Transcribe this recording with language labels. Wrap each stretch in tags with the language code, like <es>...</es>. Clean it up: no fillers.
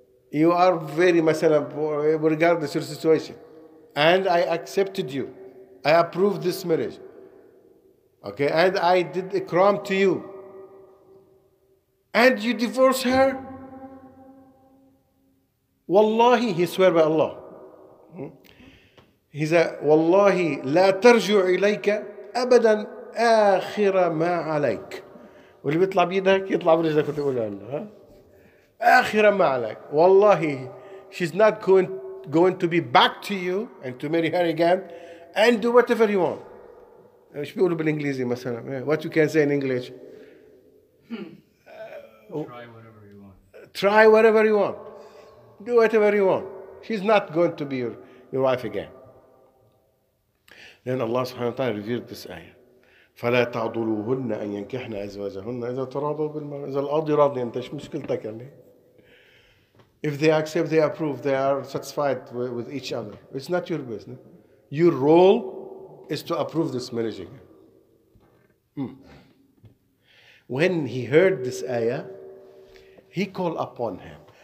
<en>You are very</en> <ar>مثلاً</ar> <en>regardless of your situation, and I accepted you, I approved this marriage, okay, and I did ikram to you, and you divorce her. Wallahi, he swear by Allah. He said, Wallahi,</en> <ar>لا ترجع إليك أبدا آخر ما عليك. واللي بيطلع بيدك يطلع برجلك وتقول له. آخر ما عليك.</ar> <en>والله, she's not going to be back to you and to marry her again and do whatever you want.</en> <ar>إيش بيقولوا بالإنجليزي مثلاً?</ar> <en>What you can say in English? Try whatever you want. Try whatever you want. Do whatever you want. She's not going to be your wife again. Then Allah subhanahu wa ta'ala revealed this ayah.</en> <ar>فلا تعضلوهن أن ينكحن أزواجهن إذا تراضوا بالمعروف. إذا القاضي راضي أنت إيش مشكلتك يعني؟</ar> <en>If they accept, they approve, they are satisfied with each other. It's not your business. Your role is to approve this marriage again. When he heard this ayah, he called upon him.</en>